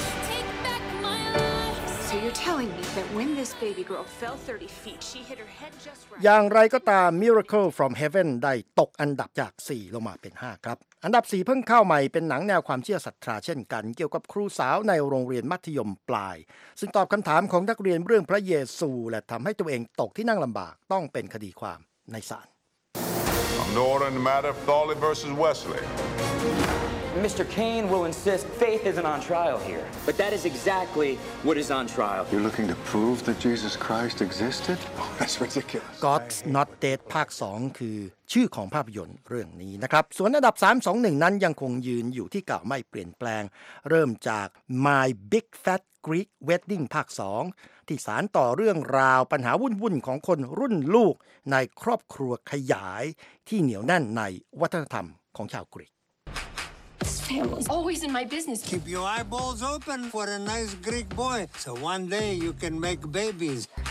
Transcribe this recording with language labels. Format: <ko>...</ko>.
<en>Take back my life. So you're telling me that when this baby girl fell 30 feet, she hit her head just right.</en> <th>อย่างไรก็ตาม Miracle from Heaven ได้ตกอันดับจาก4ลงมาเป็น5ครับอันดับ4เพิ่งเข้าใหม่เป็นหนังแนวความเชื่อศรัทธาเช่นกันเกี่ยวกับครูสาวในโรงเรียนมัธยมปลายซึ่งตอบคำถามของนักเรียนเรื่องพระเยซูและทำให้ตัวเองตกที่นั่งลำบากต้องเป็นคดีความในศาล Norton Matter Thorley versus Wesley.</th> <en>Mr. Kane will insist faith isn't on trial here, but that is exactly what is on trial. You're looking to prove that Jesus Christ existed? Oh, that's ridiculous.</en> <th>God's Not Dead ภาค 2 คือชื่อของภาพยนตร์เรื่องนี้นะครับส่วนอันดับ3 2 1นั้นยังคงยืนอยู่ที่เก่าไม่เปลี่ยนแปลงเริ่มจาก My Big Fat Greek Wedding ภาค 2ที่สานต่อเรื่องราวปัญหาวุ่นๆของคนรุ่นลูกในครอบครัวขยายที่เหนียวแน่นในวัฒนธรรมของชาวกรีก</th> <en>Family's always in my business. Keep your eyeballs open for a nice Greek boy, so one day you can make babies.</en>